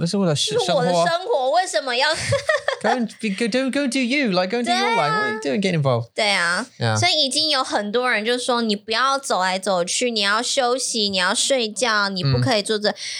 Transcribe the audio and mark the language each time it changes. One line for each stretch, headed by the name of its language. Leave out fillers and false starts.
Chinese: 这是我的生活，为什么要？
English: go do you, like, go do your life. What are you doing? Get involved.
Chinese: 对啊。
English: Yeah.
Chinese: 所以已经有很多人就说，你不要走来走去，你要休息，你要睡觉，你不可以坐着。